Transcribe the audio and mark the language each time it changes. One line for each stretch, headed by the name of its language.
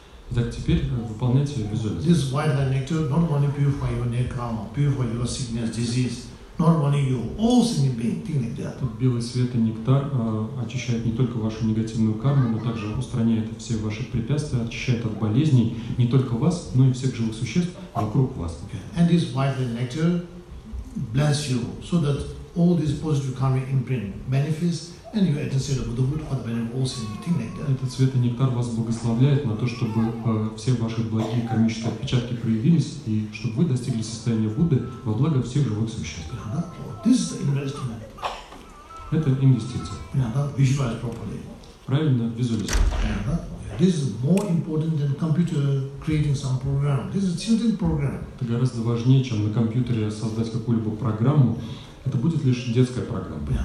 Russian: Итак, теперь выполняйте визуализацию.
English: This white light nectar not only purify your neck karma, purify your sickness, disease, not only you, all sentient beings, things like that.
Russian: Тут белый свет и нектар очищает не только вашу негативную карму, но также устраняет все ваши препятствия, очищает от болезней не только вас, но и всех живых существ вокруг вас.
English: Okay. And this white light nectar bless you so that all these positive karmic imprint manifest. And you attain the Buddhahood for the benefit of all sentient beings like that.
Russian: Этот свет и нектар вас благословляет на то, чтобы все ваши благие кармические отпечатки проявились и чтобы вы достигли состояния Будды во благо всех живых существ.
English: This is the investment.
Russian: это инвестиция.
English: Visualize properly.
Russian: Правильно визуализировать.
English: This is more important than computer creating some program. This is children's program.
Russian: Это гораздо важнее, чем на компьютере создать какую-либо программу. Это будет лишь детская программа.